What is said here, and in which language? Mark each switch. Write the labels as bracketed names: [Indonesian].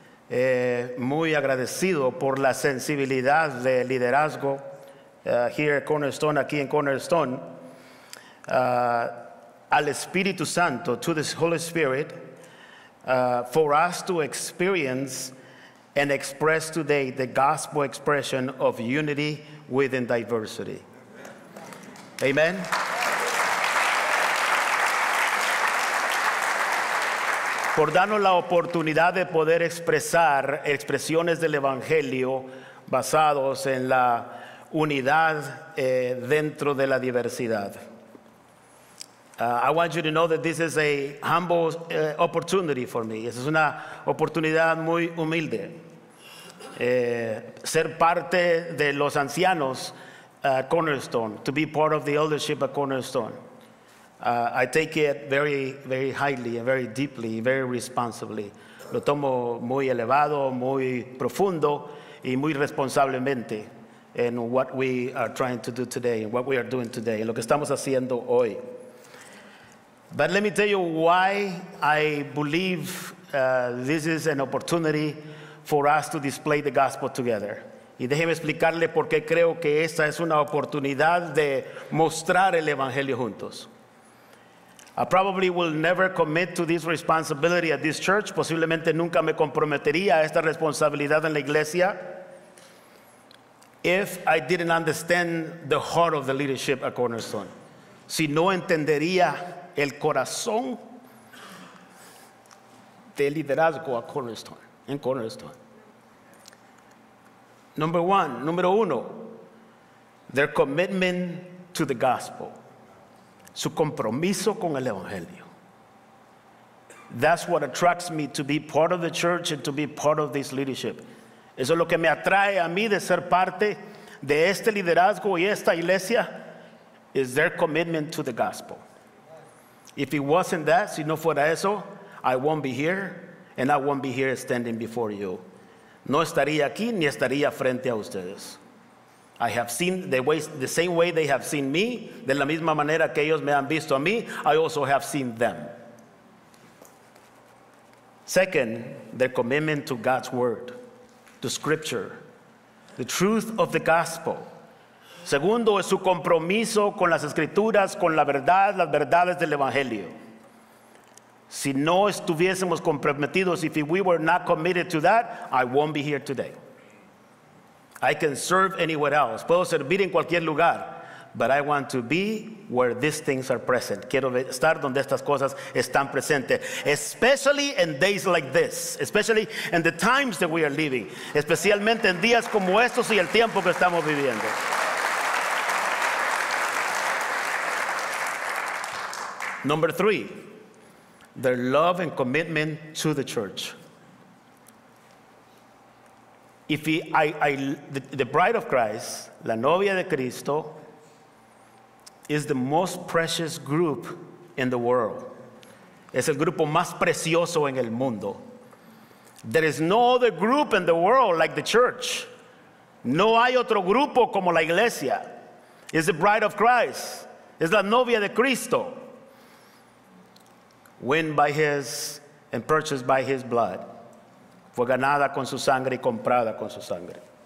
[Spanish] Muy agradecido por la sensibilidad de liderazgo [English] here at Cornerstone, [Spanish] aquí en Cornerstone. Al Espíritu Santo, [English] to the Holy Spirit, for us to experience and express today the gospel expression of unity within diversity. Amen. [Spanish] Por darnos la oportunidad de poder expresar expresiones del Evangelio basados en la unidad dentro de la diversidad. [English] I want you to know that this is a humble opportunity for me. [Spanish] Es una oportunidad muy humilde. Ser parte de los ancianos [English] at Cornerstone, to be part of the eldership at Cornerstone. I take it very, very highly and very deeply, very responsibly. [Spanish] Lo tomo muy elevado, muy profundo y muy responsablemente en [English] what we are trying to do today, what [Spanish] we are doing today, lo que estamos haciendo hoy. [English] But let me tell you why I believe this is an opportunity for us to display the gospel together. [Spanish] Y déjeme explicarle por qué creo que esta es una oportunidad de mostrar el evangelio juntos. [English] I probably will never commit to this responsibility at this church. [Spanish] Posiblemente nunca me comprometería a esta responsabilidad en la iglesia [English] if I didn't understand the heart of the leadership at Cornerstone. [Spanish] Si no entendería el corazón de liderazgo a Cornerstone, en Cornerstone. Número uno, [English] their commitment to the gospel. [Spanish] Su compromiso con el evangelio. [English] That's what attracts me to be part of the church and to be part of this leadership. [Spanish] Eso es lo que me atrae a mí de ser parte de este liderazgo y esta iglesia, [English] is their commitment to the gospel. If it wasn't that, [Spanish] si no fuera eso, [English] I won't be here, and I won't be here standing before you. [Spanish] No estaría aquí ni estaría frente a ustedes. [English] I have seen the same way they have seen me, [Spanish] de la misma manera que ellos me han visto a mí, [English] I also have seen them. Second, their commitment to God's word, to scripture, the truth of the gospel. [Spanish] Segundo, es su compromiso con las escrituras, con la verdad, las verdades del evangelio. Si no estuviésemos comprometidos, [English] if we were not committed to that, I won't be here today. I can serve anywhere else. [Spanish] Puedo servir en cualquier lugar, [English] but I want to be where these things are present. [Spanish] Quiero estar donde estas cosas están presentes. [English] Especially in days like this. Especially in the times that we are living. [Spanish] Especialmente en días como estos y el tiempo que estamos viviendo. [English] Number three, their love and commitment to the church. The bride of Christ, [Spanish] la novia de Cristo, [English] is the most precious group in the world. [Spanish] Es el grupo más precioso en el mundo. [English] There is no other group in the world like the church. [Spanish] No hay otro grupo como la iglesia. [English] It's the bride of Christ. [Spanish] Es la novia de Cristo. [English] Win by his and purchased by his blood. [Spanish] Fue ganada con su sangre y comprada con su sangre.